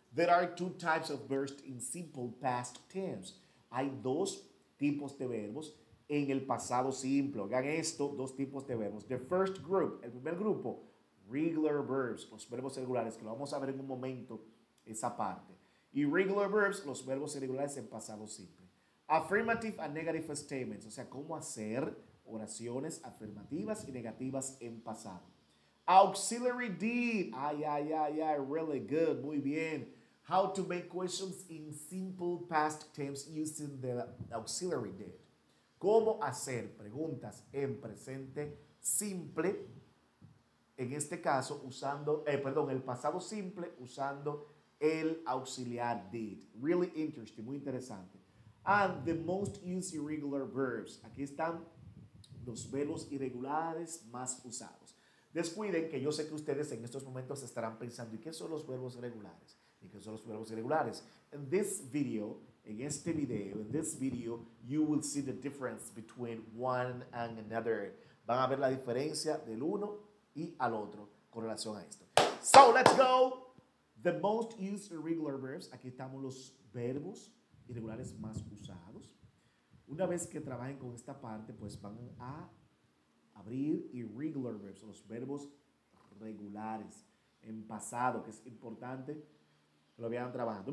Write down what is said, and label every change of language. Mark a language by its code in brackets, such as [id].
[en] There are two types of verbs in simple past tense. [es] Hay dos tipos de verbos en el pasado simple. Oigan esto, dos tipos de verbos. [en] The first group, [es] el primer grupo, [en] regular verbs, [es] los verbos irregulares, que lo vamos a ver en un momento, esa parte. [en] Irregular verbs, [es] los verbos irregulares en pasado simple. [en] Affirmative and negative statements, [es] o sea, cómo hacer oraciones afirmativas y negativas en pasado. Auxiliary did, ay, really good, muy bien. [en] How to make questions in simple past tense using the auxiliary did. [es] Cómo hacer preguntas en presente simple, en este caso, el pasado simple usando el auxiliar did. [en] Really interesting, [es] muy interesante. [en] And the most used irregular verbs. [es] Aquí están los verbos irregulares más usados. Descuiden que yo sé que ustedes en estos momentos estarán pensando, ¿y qué son los verbos regulares? ¿Y qué son los verbos irregulares? [en] In this video, you will see the difference between one and another. [es] Van a ver la diferencia del uno y al otro con relación a esto. [en] So, let's go. The most used irregular verbs. [es] Aquí estamos los verbos irregulares más usados. Una vez que trabajen con esta parte, pues van a abrir [en] irregular verbs, [es] los verbos regulares en pasado, que es importante que lo vayan trabajando.